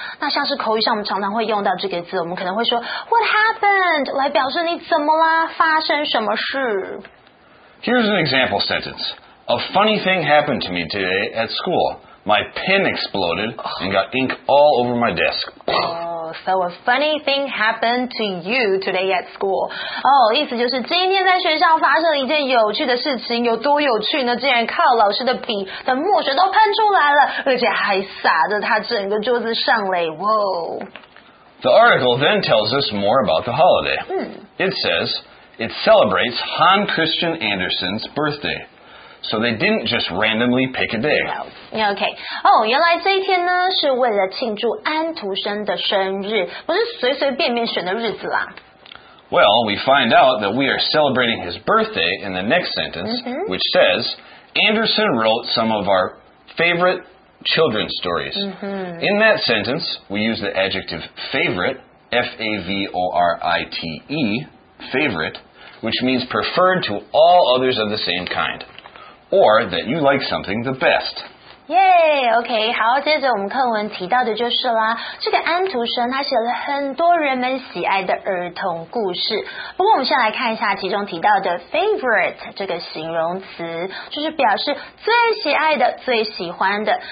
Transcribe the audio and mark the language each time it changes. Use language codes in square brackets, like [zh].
[zh] 那像是口语上我们常常会用到这个字，我们可能会说 [en] what happened [zh] 来表示你怎么啦，发生什么事。 [en] Here's an example sentence. A funny thing happened to me today at school. My pen exploded and got ink all over my desk. So a funny thing happened to you today at school. [zh] 意思就是今天在学校发生了一件有趣的事情，有多有趣呢？竟然靠老师的笔的墨水都喷出来了，而且还洒在他整个桌子上嘞。 [en] The article then tells us more about the holiday. It says, it celebrates Han Christian Andersen's birthday. So they didn't just randomly pick a day. Okay. [zh] Oh, 原来这一天呢是为了庆祝安徒生的生日，不是随随便便选的日子啦。 [en] Well, we find out that we are celebrating his birthday in the next sentence, which says, Andersen wrote some of our favorite children's stories. In that sentence, we use the adjective favorite, F-A-V-O-R-I-T-E, favorite, which means preferred to all others of the same kind. Or that you like something the best. [zh] Yay, okay, 好，接着我们课文提到的就是啦，这个安徒生他写了很多人们喜爱的儿童故事。不过我们先来看一下其中提到的 favorite 这个形容词，就是表示最喜爱的、最喜欢的。